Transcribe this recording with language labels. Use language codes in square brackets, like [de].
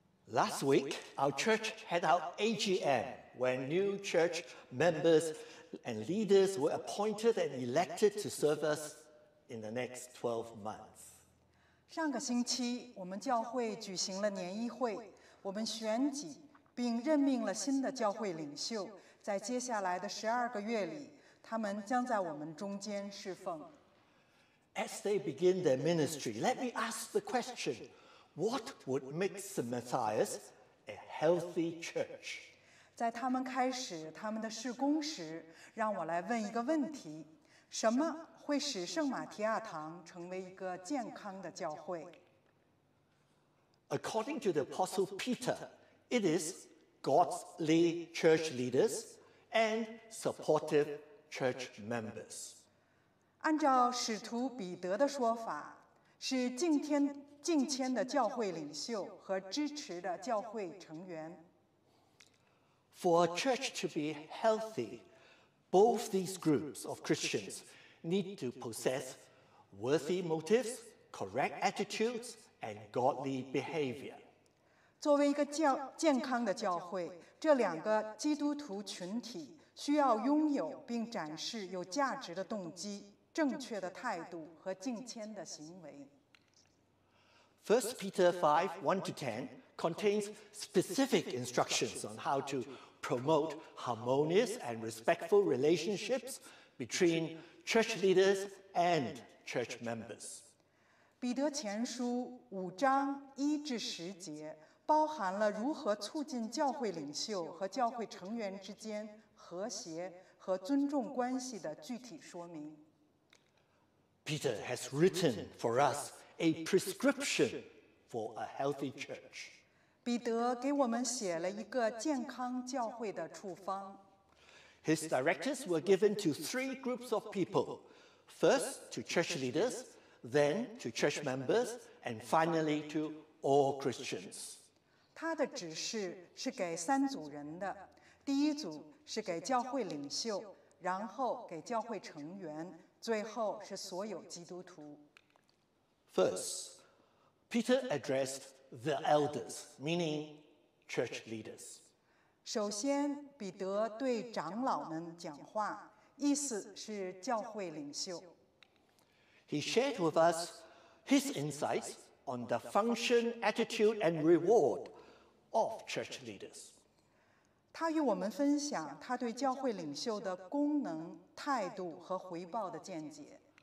[en] Last week, our church had our AGM, when new church members and leaders were appointed and elected to serve us in the next 12 months. [zh] 上个星期，我们教会举行了年议会，我们选举并任命了新的教会领袖，在接下来的12个月里，他们将在我们中间侍奉。 [en] As they begin their ministry, let me ask the question,What would make the Messiah a healthy church? [zh] 在他们开始他们的事工时，让我来问一个问题：什么会使圣马提亚堂成为一个健康的教会？ [en] According to the Apostle Peter, it is godly church leaders and supportive church members. [zh] 按照使徒彼得的说法，是敬天。敬虔的教会领袖和支持的教会成员。 [en] For a church to be healthy, both these groups of Christians need to possess worthy motives, correct attitudes, and godly behavior. [zh] 作为一个健康的教会，这两个基督徒群体需要拥有并展示有价值的动机、正确的态度和敬虔的行为。 [en] 1 Peter 5, 1-10 contains specific instructions on how to promote harmonious and respectful relationships between church leaders and church members. [zh] 彼得前书五章一至十节包含了如何促进教会领袖和教会成员之间和谐和尊重关系的具体说明。 [en] Peter has written for us A prescription for a healthy church. [zh] 彼得给我们写了一个健康教会的处方。 [en] His directives were given to three groups of people. First, to church leaders, then to church members, and finally to all Christians. [zh] 他的指示是给三组人的。第一组是给教会领袖，然后给教会成员，最后是所有基督徒。 [en] First, Peter addressed the elders, meaning church leaders. [zh] 首先，彼得对长老们讲话，意思是教会领袖。 [en] He shared with us his insights on the function, attitude, and reward of church leaders. [zh] 他与我们分享他对教会领袖的功能、态度和回报的见解。